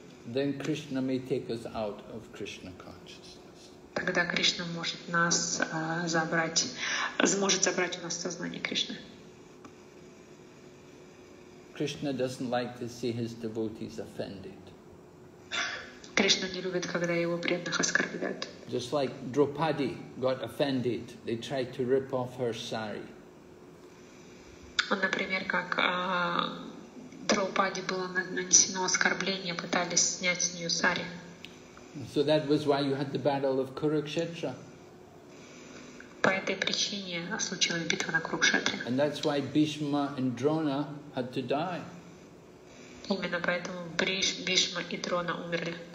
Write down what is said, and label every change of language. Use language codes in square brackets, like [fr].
[en] Then Krishna may take us out of Krishna consciousness. [ru] Тогда Кришна может нас забрать, сможет забрать у нас сознание Кришны. [en] Krishna doesn't like to see his devotees offended. [ru] Кришна не любит, когда его преданных оскорбляют. [en] Just like Draupadi got offended, they tried to rip off her sari. [ru] Например, как Драупаде было нанесено оскорбление, пытались снять с нее сари. [en] So that was why you had the battle of Kurukshetra. [ru] По этой причине случилась битва на Курукшетре. [en] And that's why Бишма and Дрона had to die. [ru] Именно поэтому Бишма и Дрона умерли.